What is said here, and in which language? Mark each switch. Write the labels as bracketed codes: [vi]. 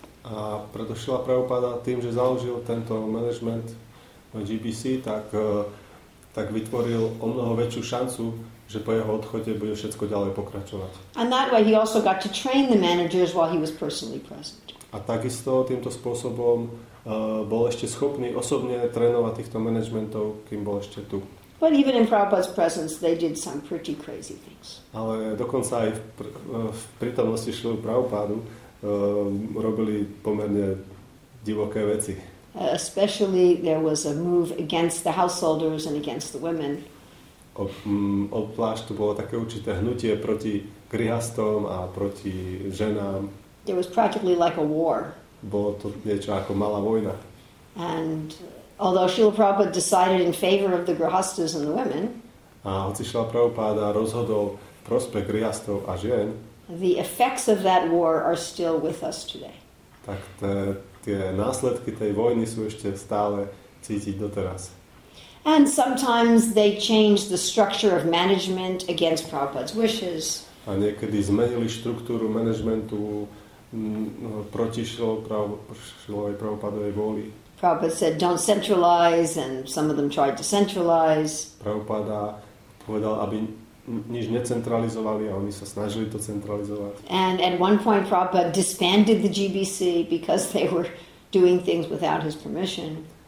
[sk] A preto Srila Prabhupada tým, že založil tento management GBC, tak vytvoril o mnoho väčšiu šancu, že po jeho odchode bude všetko ďalej pokračovať. [en] And that way he also got to train the managers while he was personally present. [sk] A takisto týmto spôsobom bol ešte schopný osobne trénovať týchto managementov, kým bol ešte tu. [en] But even in Prabhupada's presence they did some pretty crazy things. [sk] Ale dokonca aj v prítomnosti Šrily Prabhupádu robili pomerne divoké veci. [en] Especially there was a move against the householders and against the women. [sk] Obzvlášť to bolo také určité hnutie proti grihastom a proti ženám. [en] There was practically like a war. [sk] Bolo to niečo ako malá vojna. [en] And although Srila Prabhupada decided in favor of the grihastas and the women, [sk] a hoci Srila Prabhupada rozhodol prospech grihastov a žien, [en] the effects of that war are still with us today. [sk] Tak tie následky tej vojny sú ešte stále cítiť doteraz. [en] And sometimes they changed the structure of management against Prabhupada's wishes. [sk] A niekedy zmenili štruktúru managementu proti Šrilovej Prabhupádovej vôli. [en] Prabhupada said don't centralize, and some of them tried to centralize. [sk] Prabhupada povedal, aby nič necentralizovali, a oni sa snažili to centralizovať. [en] And at one point Prabhupada disbanded the GBC because they were doing things without his permission.